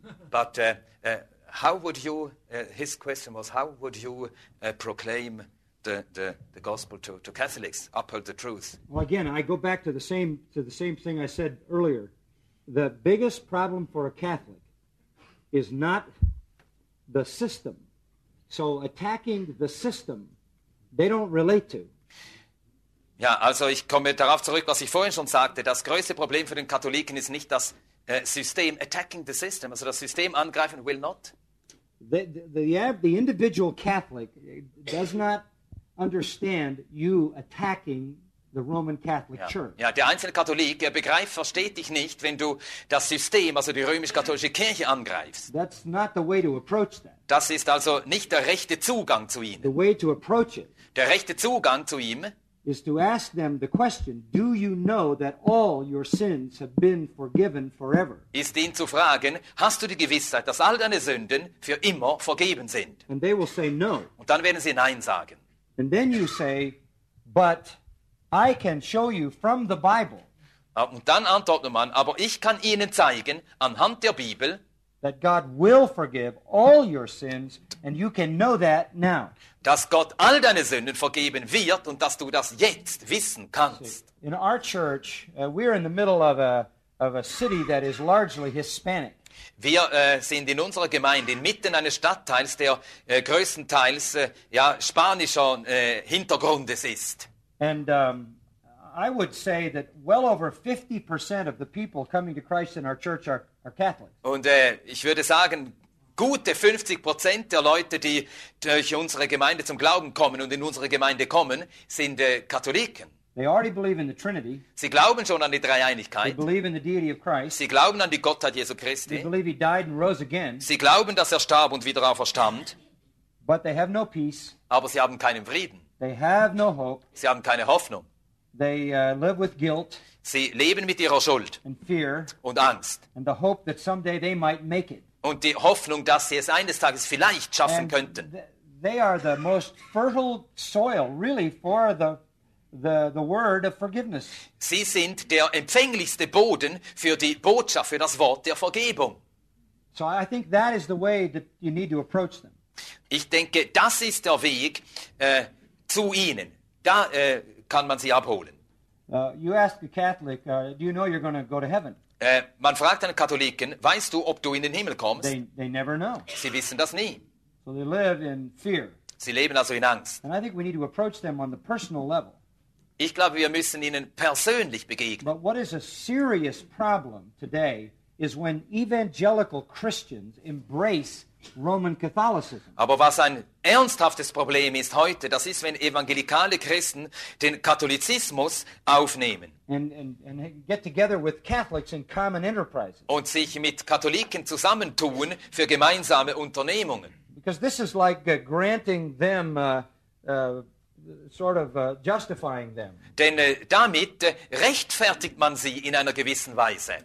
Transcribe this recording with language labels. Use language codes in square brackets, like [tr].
[en] But how would you, his question was, how would you proclaim the gospel to Catholics, uphold the truth? Well, again, I go back to the same thing I said earlier. The biggest problem for a Catholic is not the system. So attacking the system, they don't relate to. [de] Ja, also ich komme darauf zurück, was ich vorhin schon sagte. Das größte Problem für den Katholiken ist nicht das System. [en] Attacking the system, [de] also das System angreifen, [en] will not. The individual Catholic does not understand you attacking the Roman Catholic Church. [de] Ja, der einzelne Katholik, er begreift, versteht dich nicht, wenn du das System, also die römisch-katholische Kirche, angreifst. [en] That's not the way to approach that. [de] Das ist also nicht der rechte Zugang zu ihnen. [en] The way to approach it, [de] der rechte Zugang zu ihm, [en] is to ask them the question, do you know that all your sins have been forgiven forever? [de] Ist ihn zu fragen, hast du die Gewissheit, dass all deine Sünden für immer vergeben sind? [en] And they will say no. [de] Und dann werden sie nein sagen. [en] And then you say, but I can show you from the Bible. [de] Und dann antwortet man, aber ich kann Ihnen zeigen anhand der Bibel, [en] that God will forgive all your sins, and you can know that now. [de] Dass Gott all deine Sünden vergeben wird und dass du das jetzt wissen kannst. [en] In our church, we are in the middle of a city that is largely Hispanic. [de] Wir sind in unserer Gemeinde inmitten eines Stadtteils, der größtenteils spanischer Hintergrundes ist. [en] And I would say that well over 50% of the people coming to Christ in our church are Catholic. [de] Und ich würde sagen, gute 50% der Leute, die durch unsere Gemeinde zum Glauben kommen und in unsere Gemeinde kommen, sind Katholiken. [en] They already believe in the Trinity. [de] Sie glauben schon an die Dreieinigkeit. [en] They believe in the deity of Christ. [de] Sie glauben an die Gottheit Jesu Christi. [en] They believe he died and rose again. [de] Sie glauben, dass starb und wieder auferstand. [en] But they have no peace. [de] Aber sie haben keinen Frieden. [en] They have no hope. [de] Sie haben keine Hoffnung. [en] They live with guilt. [de] Sie leben mit ihrer Schuld [en] and fear [de] und Angst. [en] And the hope that someday they might make it. [de] Und die Hoffnung, dass sie es eines Tages vielleicht schaffen [en] and [de] könnten. [en] They are the most fertile soil, really, for the word of forgiveness. [de] Sie sind der empfänglichste Boden für die Botschaft, für das Wort der Vergebung. [en] So I think that is the way that you need to approach them. [de] Ich denke, das ist der Weg zu ihnen. Da kann man sie abholen. [en] You ask a Catholic, do you know you're going to go to heaven? [de] Man fragt einen Katholiken, weißt du, ob du in den Himmel kommst? [en] They never know. [de] Sie wissen das nie. [en] So they live in fear. [de] Sie leben also in Angst. [en] And I think we need to approach them on the personal level. [de] Ich glaube, wir müssen ihnen persönlich begegnen. [en] But what is a serious problem today is when evangelical Christians embrace Roman Catholicism. [de] Aber was ein ernsthaftes Problem ist heute, das ist, wenn evangelikale Christen den Katholizismus aufnehmen. [en] And get together with Catholics in common enterprises. [de] Und sich mit Katholiken zusammentun für gemeinsame Unternehmungen. [en] Because this is like granting them sort of justifying them. [de] Denn damit rechtfertigt man sie in einer gewissen Weise.